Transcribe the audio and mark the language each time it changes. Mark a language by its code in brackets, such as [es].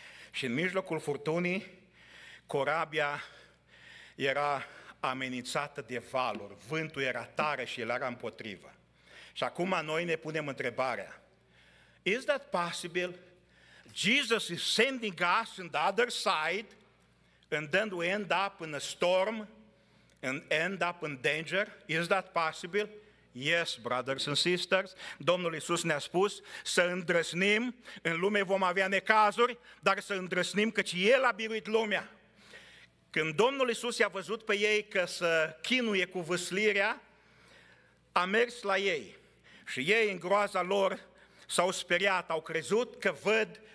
[ro] Și în mijlocul furtunii, corabia era amenințată de valuri, vântul era tare și el era împotrivă. Și acum noi ne punem întrebarea, [en] is that possible? Jesus is sending us on the other side, and then we end up in a storm, and end up in danger? Is that possible? Yes, brothers and sisters. [ro] Domnul Iisus ne-a spus să îndrăsnim, în lume vom avea necazuri, dar să îndrăsnim căci El a biruit lumea. Când Domnul Iisus i-a văzut pe ei că se chinuie cu vâslirea, a mers la ei și ei în groaza lor s-au speriat, au crezut că văd